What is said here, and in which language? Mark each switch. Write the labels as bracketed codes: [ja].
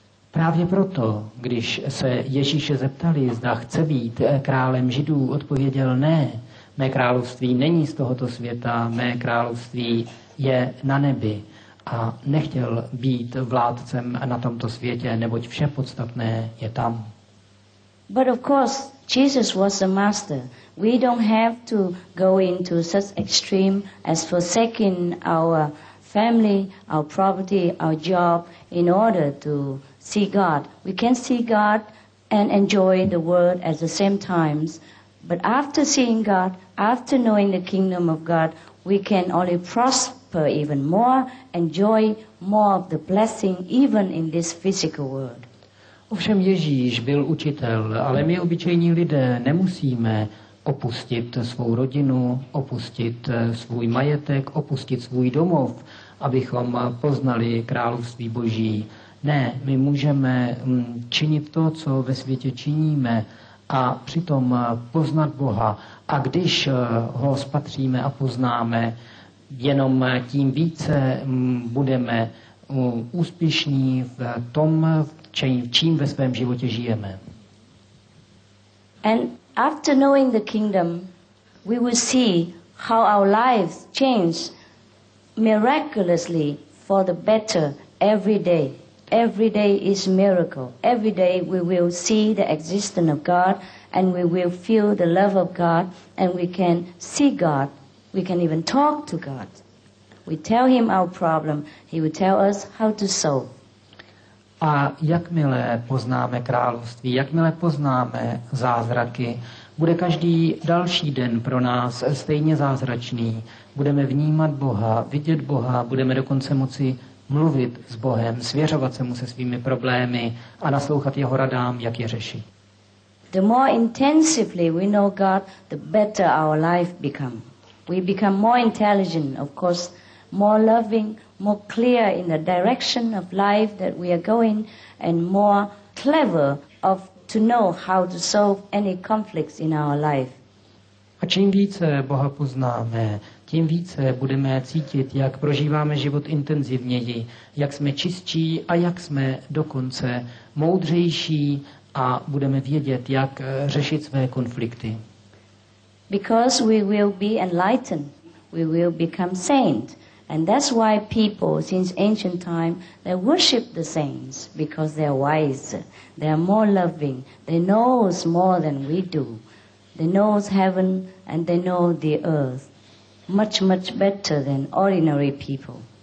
[cs] Právě proto, když se Ježíše zeptali, zda chce být králem Židů, odpověděl ne. Mé království není z tohoto světa, mé království je na nebi. A nechtěl být vládcem na tomto světě, neboť vše podstatné je tam. [en] But of course, Jesus was a master. We don't have to go into such extreme as forsaking our family, our property, our job in order to see God. We can see God and enjoy the world at the same time. But after seeing God, after knowing the kingdom of God, we can only prosper even more, enjoy more of the blessing even in this physical world. [cs] Ovšem Ježíš byl učitel, ale my obyčejní lidé nemusíme opustit svou rodinu, opustit svůj majetek, opustit svůj domov, abychom poznali království Boží. Ne, my můžeme činit to, co ve světě činíme, a přitom poznat Boha. A když ho spatříme a poznáme, jenom tím více budeme úspěšní v tom, čím ve svém životě žijeme. [en] And after knowing the kingdom, we will see how our lives change miraculously for the better every day. Every day is miracle. Every day we will see the existence of God and we will feel the love of God and we can see God. We can even talk to God. We tell him our problem. He will tell us how to solve. [cs] A jakmile poznáme království, jakmile poznáme zázraky, bude každý další den pro nás stejně zázračný. Budeme vnímat Boha, vidět Boha, budeme dokonce moci mluvit s Bohem, svěřovat se mu se svými problémy a naslouchat jeho radám, jak je řešit. [en] The more intensively we know God, the better our life become. We become more intelligent, of course, more loving, more clear in the direction of life that we are going and more clever of to know how to solve any conflicts in our life. [cs] A čím více Boha poznáme, tím více budeme cítit, jak prožíváme život intenzivněji, jak jsme čistší a jak jsme dokonce moudřejší a budeme vědět, jak řešit své konflikty. [en] Because we will be enlightened, we will become saint. And that's why people since ancient time they worship the saints because they are wise, they are more loving, they know more than we do. They know heaven and they know the earth much, much better than ordinary people.